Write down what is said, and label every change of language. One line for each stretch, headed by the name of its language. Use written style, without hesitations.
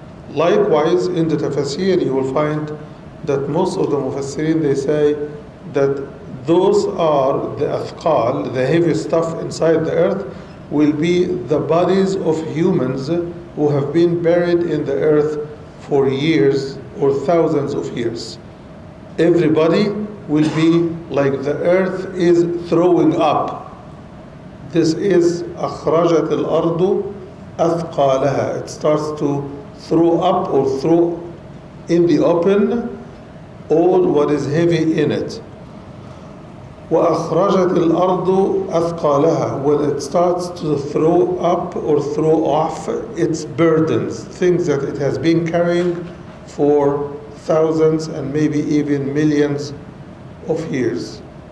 English: Likewise, in the Tafseer, you will find that most of the Mufassirin, they say that those are the athqal, the heavy stuff inside the earth, will be the bodies of humans who have been buried in the earth for years or thousands of years. Everybody will be like the earth is throwing up. This is
Arabic: أخرجت الأرض أثقالها.
English: It starts to throw up or throw in the open all what is heavy in it.
Arabic: وأخرجت الأرض أثقالها.
English: When it starts to throw up or throw off its burdens, things that it has been carrying for thousands and maybe even millions of years.